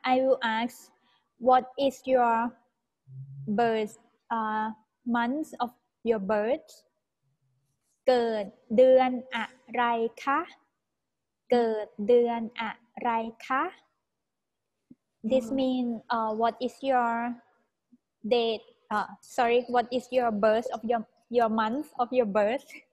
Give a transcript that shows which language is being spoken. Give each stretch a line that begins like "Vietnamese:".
English: I will ask, what is your birth, month of your birth?
Thai: เกิดเดือนอะไรคะ เกิดเดือนอะไรคะ
English: This means, what is your date? Sorry, what is your birth of your month of your birth?